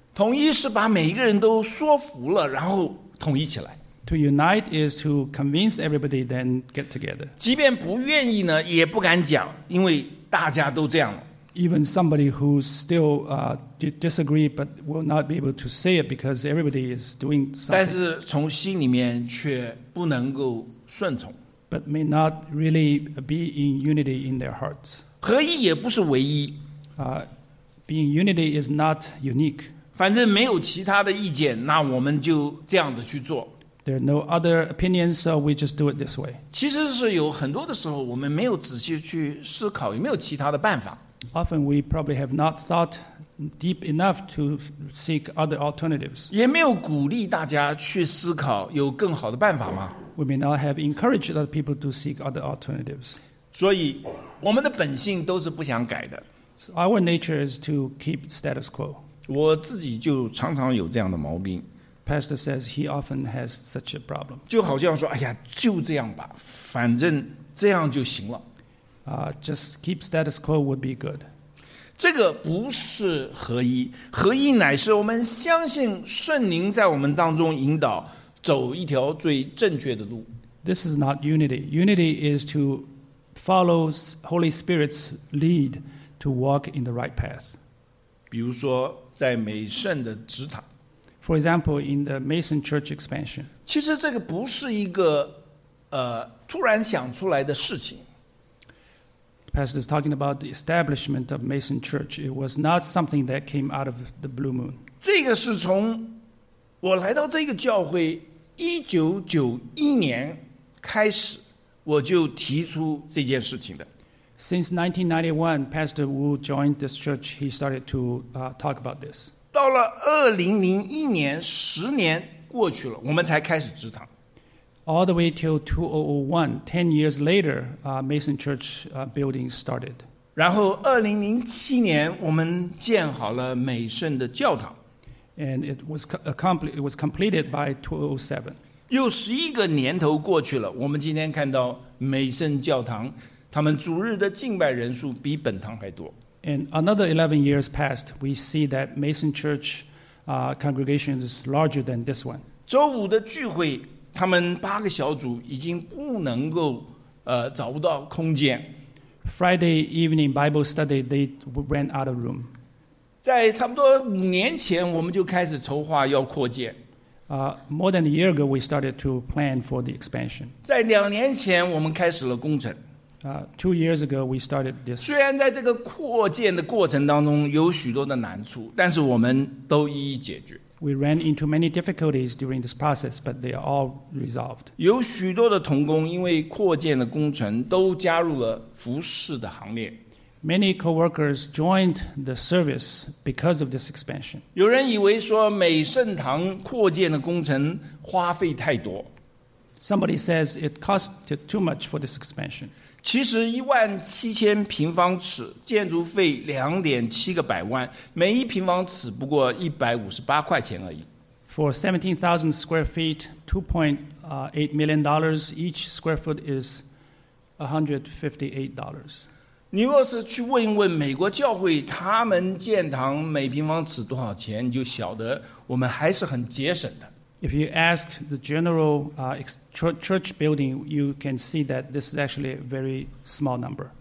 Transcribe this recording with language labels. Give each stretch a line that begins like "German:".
Chinese: 统一是把每一个人都说服了，然后统一起来。
English: To unite is to convince everybody, then get together.
Chinese: 即便不愿意呢，也不敢讲，因为大家都这样了。
English: Even somebody who still disagree but will not be able to say it because everybody is doing something.
Chinese: 但是从心里面却不能够顺从。
English: But may not really be in unity in their hearts.
Chinese: 合一也不是唯一。
English: Being unity is not unique.
Chinese: 反正没有其他的意见，那我们就这样的去做。
English: There are no other opinions, so we just do it this way.
Chinese: 其实是有很多的时候，我们没有仔细去思考有没有其他的办法。
English: Often we probably have not thought deep enough to seek other alternatives.
Chinese: 也没有鼓励大家去思考有更好的办法吗？
English: We may not have encouraged other people to seek other alternatives.
Chinese: 所以，我们的本性都是不想改的。
English: So our nature is to keep status quo.
Chinese: 我自己就常常有这样的毛病。
English: Pastor says he often has such a problem.
Chinese: 就好像说，哎呀，就这样吧，反正这样就行了。
English: Just keep status quo would be good.
Chinese: 这个不是合一，合一乃是我们相信圣灵在我们当中引导走一条最正确的路。
English: This is not unity. Unity is to follow Holy Spirit's lead to walk in the right path.
Chinese: 比如说，在美圣的职场。
English: For example, in the Mason Church expansion.
Chinese: 其实这个不是一个突然想出来的事情。
English: The pastor is talking about the establishment of Mason Church. It was not something that came out of the blue moon.
Chinese: 这个是从我来到这个教会1991年开始，我就提出这件事情的。
English: Since 1991, Pastor Wu joined this church. He started to talk about this.
Chinese: 到了2001年，十年过去了，我们才开始执堂。
English: All the way till 2001, 10 years later, Mason Church building started.
Chinese: 然后2007年，我们建好了美圣的教堂。
English: And it was completed by 2007.
Chinese: 又十一个年头过去了，我们今天看到美圣教堂他们主日的敬拜人数比本堂还多。
English: And another 11 years passed, we see that Mason Church congregation is larger than this one.
Chinese: 周五的聚会他们八个小组已经不能够找不到空间。
English: Friday evening Bible study, they ran out of room.
Chinese: 在差不多五年前我们就开始筹划要扩建。
English: More than a year ago, we started to plan for the expansion.
Chinese: 在两年前我们开始了工程。
English: Two years ago, we started this.
Chinese: 虽然在这个扩建的过程当中有许多的难处，但是我们都一一解决。
English: We ran into many difficulties during this process, but they are all resolved.
Chinese: 有许多的同工因为扩建的工程都加入了服事的行列。
English: Many co-workers joined the service because of this expansion.
Chinese: 有人以为说美圣堂扩建的工程花费太多。
English: Somebody says it costed too much for this expansion.
Chinese: 其实17,000平方尺建筑费2.7亿，每一平方尺不过158块钱而已。
English: For 17,000 square feet, $2.8 million each square foot is $158.
Chinese: 你若是去问一问美国教会，他们建堂每平方尺多少钱，你就晓得我们还是很节省的。
English: If you ask the general church building, you can see that this is actually a very small number.